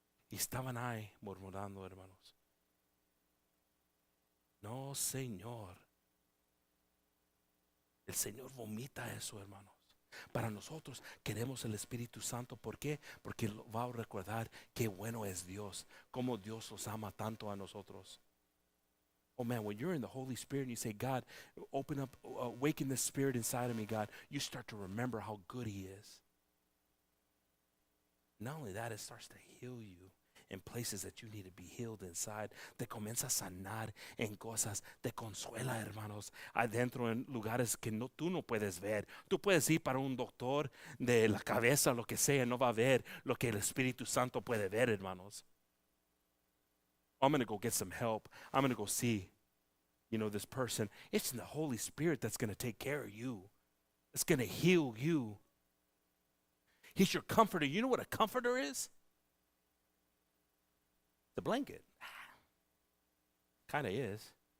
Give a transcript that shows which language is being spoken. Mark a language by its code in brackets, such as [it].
[es] Y estaban ahí murmurando, hermanos. No, Señor. El Señor vomita eso, hermanos. Para nosotros queremos el Espíritu Santo. ¿Por qué? Porque va a recordar qué bueno es Dios. Cómo Dios los ama tanto a nosotros. [en] Oh, man, when you're in the Holy Spirit and you say, God, open up, awaken the Spirit inside of me, God, you start to remember how good he is. Not only that, it starts to heal you. In places that you need to be healed inside. [es] Te comienza a sanar en cosas. Te consuela, hermanos. Adentro en lugares que no, tú no puedes ver. Tú puedes ir para un doctor de la cabeza, lo que sea. No va a ver lo que el Espíritu Santo puede ver, hermanos. [en] I'm going to go get some help. I'm going to go see, you know, this person. It's in the Holy Spirit that's going to take care of you. It's going to heal you. He's your comforter. You know what a comforter is? The blanket, kind of is.